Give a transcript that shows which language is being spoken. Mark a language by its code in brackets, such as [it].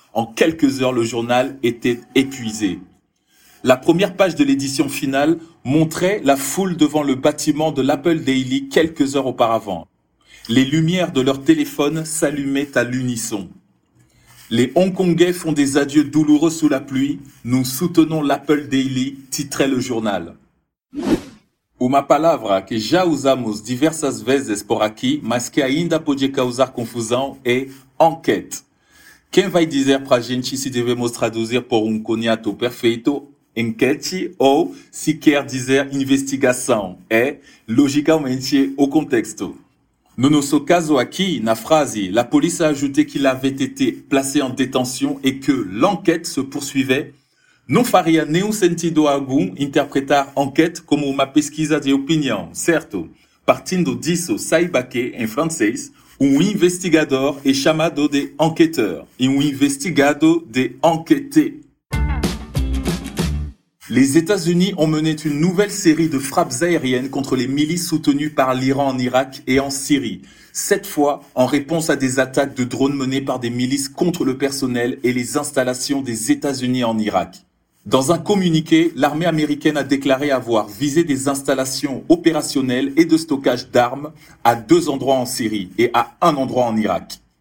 [fr] En quelques heures, le journal était épuisé. La première page de l'édition finale montrait la foule devant le bâtiment de l'Apple Daily quelques heures auparavant. Les lumières de leurs téléphones s'allumaient à l'unisson. Les Hongkongais font des adieux douloureux sous la pluie. Nous soutenons l'Apple Daily, titrait le journal. [pt] Uma palavra que já usamos diversas vezes por aqui, mas que ainda pode causar confusão é enquete. Quem vai dizer para a gente se devemos traduzir por cognato perfeito, enquete, ou se quer dizer investigação? É, logicamente, o contexto. No nosso caso aqui, na frase, [fr] la police a ajouté qu'il avait été placé en détention et que l'enquête se poursuivait, [pt] não faria nenhum sentido algum interpretar enquete como uma pesquisa de opinião, certo? Partindo disso, saiba que, em francês, investigador é chamado de enquêteur e investigado de enquêté. [fr] Les États-Unis ont mené une nouvelle série de frappes aériennes contre les milices soutenues par l'Iran en Irak et en Syrie. Cette fois, en réponse à des attaques de drones menées par des milices contre le personnel et les installations des États-Unis en Irak. Dans un communiqué, l'armée américaine a déclaré avoir visé des installations opérationnelles et de stockage d'armes à deux endroits en Syrie et à un endroit en Irak.